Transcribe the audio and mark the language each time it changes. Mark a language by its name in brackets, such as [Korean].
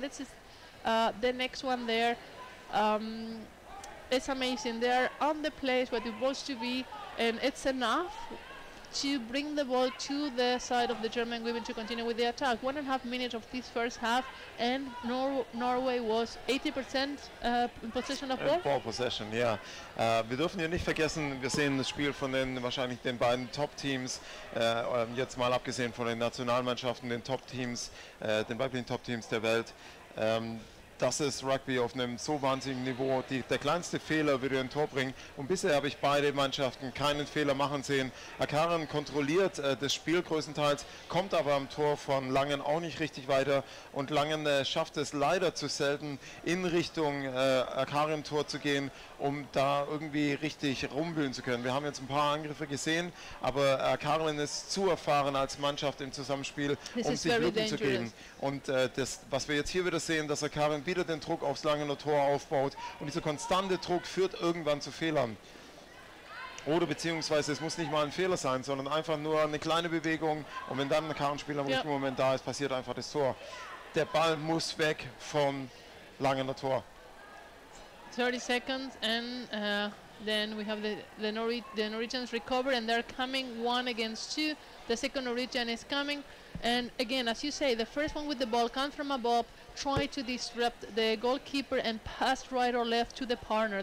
[English] This is the next one there. It's amazing. They are on the place where they're supposed to be, and it's enough to bring the ball to the side of the German women to continue with the attack. 1.5 minutes of this first half, and Norway was 80% possession of ball. Ball possession, yeah. [German] Wir dürfen ja nicht vergessen, wir sehen das Spiel von den wahrscheinlich den beiden Top-Teams, jetzt mal abgesehen von den Nationalmannschaften, den Top-Teams, den weiblichen Top-Teams der Welt. Das ist Rugby auf einem so wahnsinnigen Niveau. Der kleinste Fehler würde ein Tor bringen. Und bisher habe ich beide Mannschaften keinen Fehler machen sehen. Akkaren kontrolliert das Spiel größtenteils, kommt aber am Tor von Langen auch nicht richtig weiter. Und Langen schafft es leider zu selten, in Richtung Akkaren-Tor zu gehen, um da irgendwie richtig rumwühlen zu können. Wir haben jetzt ein paar Angriffe gesehen, aber Akkaren ist zu erfahren als Mannschaft im Zusammenspiel, um sich wirken zu geben. Und das, was wir jetzt hier wieder sehen, dass Akkaren wieder den Druck aufs Langener Tor aufbaut und dieser konstante Druck führt irgendwann zu Fehlern. Oder beziehungsweise es muss nicht mal ein Fehler sein, sondern einfach nur eine kleine Bewegung und wenn dann ein Karrenspieler im richtigen Moment da ist, passiert einfach das Tor. Der Ball muss weg vom Langener Tor. [English] 30 seconds and then we have the Norwegians recover and they're coming one against two. The second Norwegian is coming and again, as you say, the first one with the ball comes from above, try to disrupt the goalkeeper and pass right or left to the partner.